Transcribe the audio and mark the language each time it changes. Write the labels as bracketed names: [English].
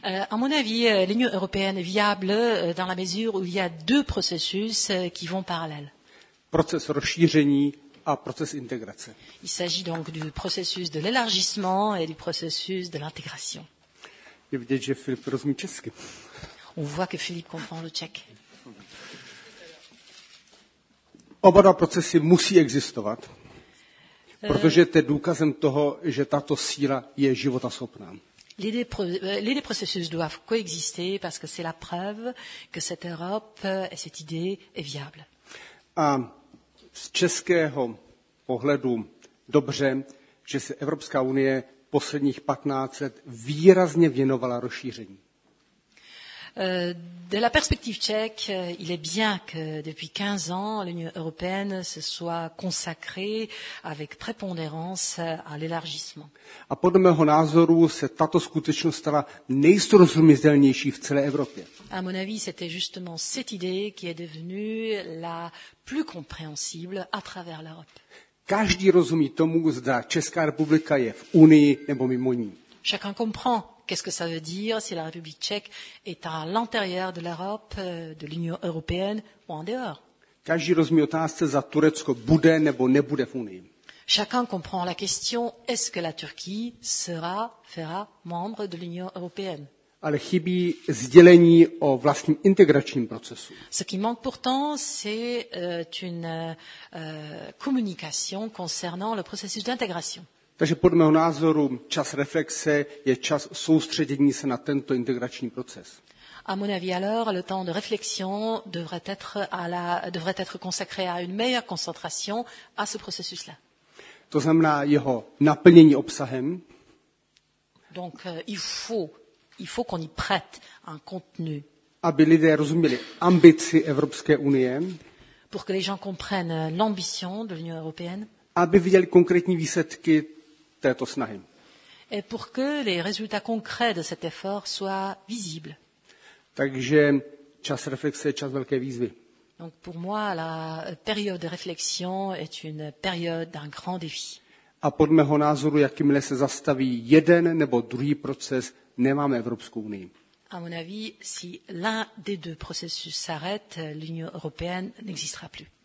[French] À mon avis, l'Union européenne est viable dans la mesure où il y a deux processus qui vont parallèles. [Czech] Proces rozšíření a proces integrace. [French] Il s'agit donc du processus de l'élargissement et du processus de l'intégration. [Czech] Je vidět, že Filip rozumí česky. [French] On voit que Philippe comprend le tchèque. [Czech] Oba dva procesy musí existovat, protože to je důkazem toho, že tato síla je životaschopná. [French] Les deux processus doivent coexister parce que c'est la preuve que cette Europe et cette idée est viable. [Czech] A z českého pohledu dobře, že se Evropská unie posledních 15 let výrazně věnovala rozšíření. [French] De la perspective tchèque, il est bien que depuis 15 ans, l'Union européenne se soit consacrée avec prépondérance à l'élargissement. [Czech] A podle mého názoru se tato skutečnost stala nejsrozumitelnější v celé Evropě. [French] À mon avis, c'était justement cette idée qui est devenue la plus compréhensible à travers l'Europe. [Czech] Každý rozumí tomu, zda Česká republika je v Unii nebo mimo ní. [French] Chacun comprend. Qu'est-ce que ça veut dire si la République tchèque est à l'intérieur de l'Europe, de l'Union européenne ou en dehors? [Czech] Každý rozumí otázce, za Turecko bude nebo nebude v Unii. [French] Chacun comprend la question, est-ce que la Turquie fera membre de l'Union européenne? [Czech] Ale chybí sdělení o vlastním integračním procesu. [French] Ce qui manque pourtant, c'est une communication concernant le processus d'intégration. [Czech] Takže podle mého názoru čas reflexe je čas soustředění se na tento integrační proces. [French] À mon avis alors, le temps de réflexion devrait être consacré à une meilleure concentration à ce processus-là. [Czech] To znamená jeho naplnění obsahem. [French] Donc il faut qu'on y prête un contenu. [Czech] Aby lidé rozuměli ambici Evropské unie. [French] Pour que les gens comprennent l'ambition de l'Union européenne. [Czech] Aby viděli konkrétní výsledky této snahy. [French] Et pour que les résultats concrets de cet effort soient visibles. [Czech] Takže čas reflexe je čas velké výzvy. [French] Donc pour moi la période de réflexion est une période d'un grand défi. [Czech] A podle mého názoru, jakmile se zastaví jeden nebo druhý proces, nemáme Evropskou unii. [French] À mon avis, si l'un des deux processus s'arrête, l'Union européenne n'existera plus.